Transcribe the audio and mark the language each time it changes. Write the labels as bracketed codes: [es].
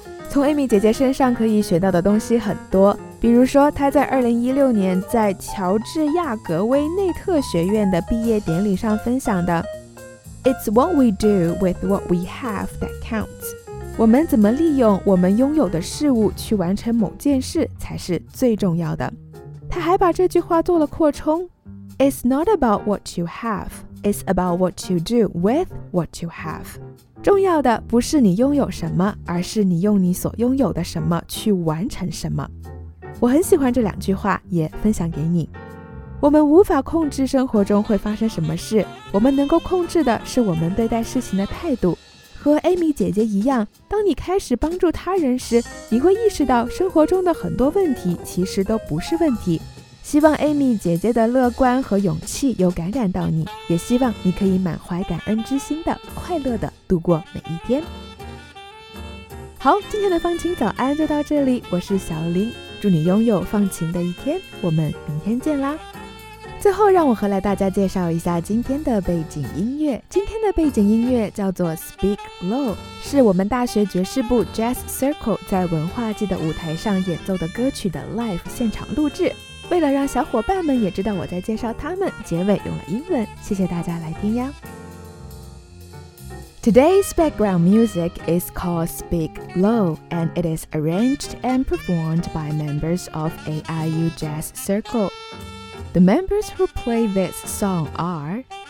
[zh] 从 Amy 姐姐身上可以学到的东西很多，比如说她在2016年在乔治亚格威内特学院的毕业典礼上分享的 [en] It's what we do with what we have that counts， [zh] 我们怎么利用我们拥有的事物去完成某件事才是最重要的。他还把这句话做了扩充。 [en] It's not about what you have, it's about what you do with what you have. [zh] 重要的不是你拥有什么，而是你用你所拥有的什么去完成什么。我很喜欢这两句话，也分享给你。我们无法控制生活中会发生什么事，我们能够控制的是我们对待事情的态度。和 Amy 姐姐一样，当你开始帮助他人时，你会意识到生活中的很多问题其实都不是问题。希望 Amy 姐姐的乐观和勇气有感染到你，也希望你可以满怀感恩之心的快乐的度过每一天。好，今天的放晴早安就到这里，我是小林，祝你拥有放晴的一天，我们明天见啦。最后让我和来大家介绍一下今天的背景音乐。今天的背景音乐叫做 Speak Low， 是我们大学爵士部 Jazz Circle 在文化季的舞台上演奏的歌曲的 Live 现场录制。为了让小伙伴们也知道我在介绍他们，结尾用了英文，谢谢大家来听呀。 [en] Today's background music is called Speak Low and it is arranged and performed by members of AIU Jazz Circle. The members who play this song are